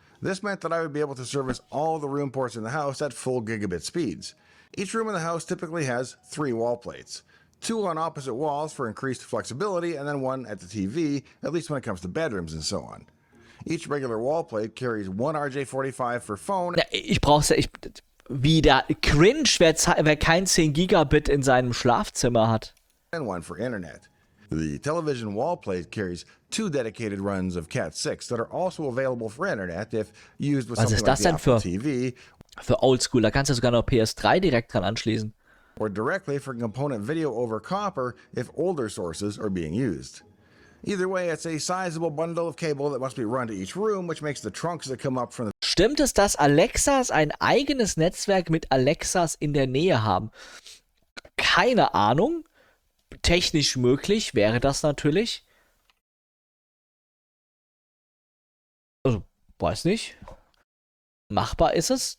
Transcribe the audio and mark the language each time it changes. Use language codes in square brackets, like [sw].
[en] This meant that I would be able to service all the room ports in the house at full gigabit speeds. Each room in the house typically has three wall plates. Two on opposite walls for increased flexibility, and then one at the TV, at least when it comes to bedrooms and so on. Each regular wall plate carries one RJ45 for phone. [de] Ja, ich brauch's, wie der Cringe, wer kein 10 Gigabit in seinem Schlafzimmer hat. [en] And one for internet. The television wall plate carries two dedicated runs of Cat 6 that are also available for internet if used with something like Apple TV. [de] Für Oldschool, da kannst du sogar noch PS3 direkt dran anschließen. [en] Or directly for component video over copper if older sources are being used. Either way, it's a sizable bundle of cable that must be run to each room, which makes the trunks that come up from the... [de] Stimmt es, dass Alexas ein eigenes Netzwerk mit Alexas in der Nähe haben? Keine Ahnung. Technisch möglich wäre das natürlich. Also, weiß nicht. Machbar ist es.